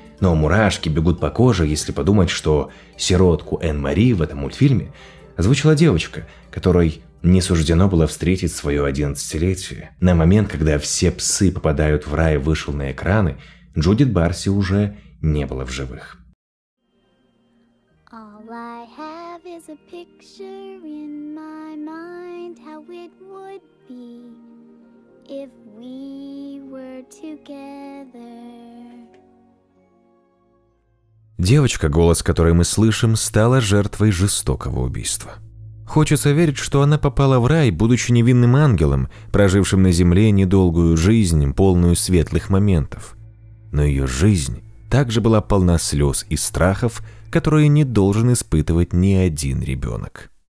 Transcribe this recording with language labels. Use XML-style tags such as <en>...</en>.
<ru>Но мурашки бегут по коже, если подумать, что сиротку Энн Мари в этом мультфильме озвучила девочка, которой не суждено было встретить свое 11-летие. На момент, когда «Все псы попадают в рай» вышел на экраны, Джудит Барси уже не было в живых.</ru> <en>All I have is a picture in my mind, how it would be if we were together.</en> <ru>Девочка, голос которой мы слышим, стала жертвой жестокого убийства. Хочется верить, что она попала в рай, будучи невинным ангелом, прожившим на земле недолгую жизнь, полную светлых моментов. Но ее жизнь также была полна слез и страхов, которые не должен испытывать ни один ребенок.</ru>